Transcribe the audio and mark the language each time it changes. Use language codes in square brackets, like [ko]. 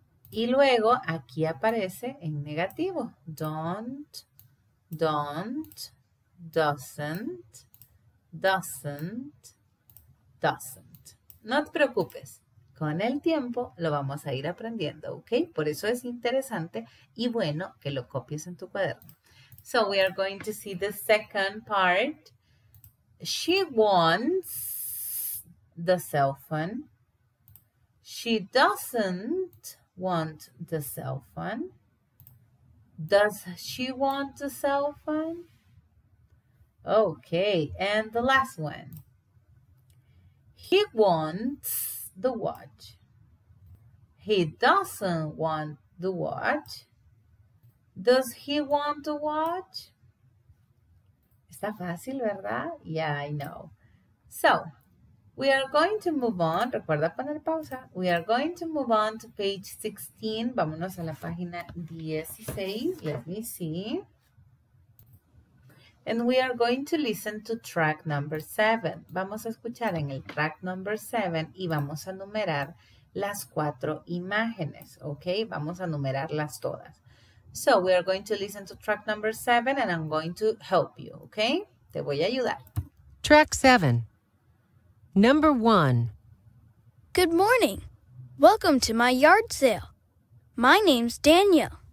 [es] Y luego aquí aparece en negativo. Don't, don't, doesn't, doesn't, doesn't. No te preocupes. Con el tiempo lo vamos a ir aprendiendo, ¿ok? Por eso es interesante y bueno que lo copies en tu cuaderno. [en] So we are going to see the second part. She wants the cell phone. She doesn't want the cell phone. Does she want the cell phone? Okay, and the last one. He wants the watch. He doesn't want the watch. Does he want the watch? [es] Está fácil, ¿verdad? [en] Yeah, I know. So, we are going to move on. [es] Recuerda poner pausa. [en] We are going to move on to page 16. [es] Vámonos a la página 16. [en] Let me see. And we are going to listen to track number 7. [es] Vamos a escuchar en el [en] track number 7 [es] y vamos a numerar las cuatro imágenes, ¿ok? Vamos a numerarlas todas. [en] So, we are going to listen to track number 7 and I'm going to help you, ¿ok? [es] Te voy a ayudar. [en] Track 7. Number 1. Good morning. Welcome to my yard sale. My name's Daniel.